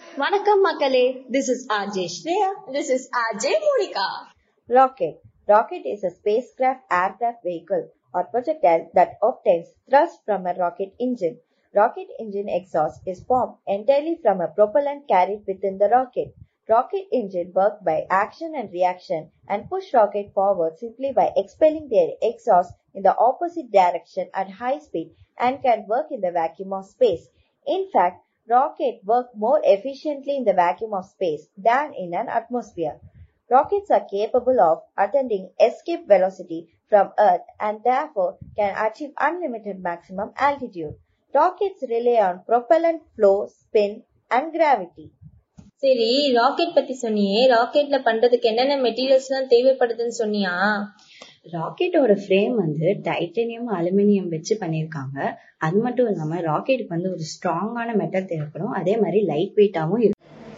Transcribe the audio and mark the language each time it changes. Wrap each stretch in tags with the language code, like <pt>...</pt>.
<ta>வணக்கம் மக்களே,</ta> <en>This is RJ Shreya. This is RJ Monika. Rocket rocket is a spacecraft aircraft vehicle or projectile that obtains thrust from a rocket engine. Rocket engine exhaust is formed entirely from a propellant carried within the rocket. Rocket engine work by action and reaction and push rocket forward simply by expelling their exhaust in the opposite direction at high speed and can work in the vacuum of space. In fact, rocket work more efficiently in the vacuum of space than in an atmosphere. Rockets are capable of attaining escape velocity from Earth and therefore can achieve unlimited maximum altitude. Rockets rely on propellant flow, spin and gravity.</en> <ta>சரி, rocket பத்தி சொன்னியே, ராக்கெட்ல பண்றதுக்கு என்னென்ன materials எல்லாம் தேவைப்படுதுன்னு சொன்னியா? ராக்கெட்டோட frame வந்து titanium aluminium வச்சு பண்ணிருக்காங்க. அது மட்டும் இல்லாம ராக்கெட்டுக்கு வந்து ஒரு ஸ்ட்ராங்கான மெட்டல் தேவைப்படும், அதே மாதிரி லைட் வெயிட்டாவும் இருக்கும்.</ta>